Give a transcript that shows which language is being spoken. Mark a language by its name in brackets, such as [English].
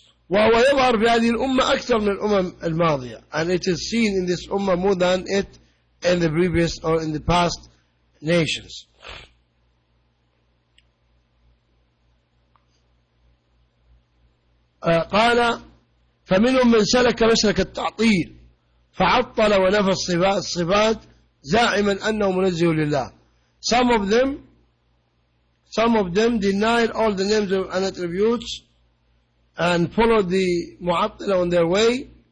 [Arabic] وهو يظهر في هذه الأمة أكثر من الأمم الماضية. [English] And it is seen in this أمة more than it in the previous or in the past nations. [Arabic] قال فمنهم من سلك مسلك التعطيل فعطل ونفى الصفات زاعما أنه منزه لله. [English] Some of them denied all the names and attributes and followed the Mu'attila on their way,